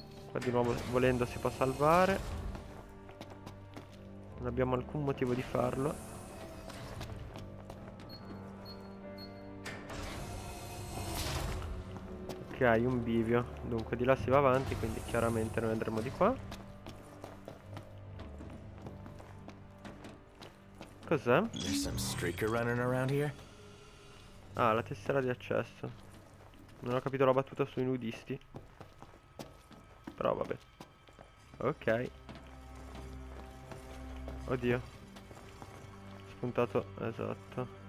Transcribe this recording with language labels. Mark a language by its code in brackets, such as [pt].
[it] Qua di nuovo volendo si può salvare. Non abbiamo alcun motivo di farlo. Ok, un bivio. Dunque di là si va avanti, quindi chiaramente noi andremo di qua. Cos'è? [en] There's some streaker running around here. [it] Ah, la tessera di accesso. Non ho capito la battuta sui nudisti. Però vabbè. Ok. Oddio. Spuntato, esatto.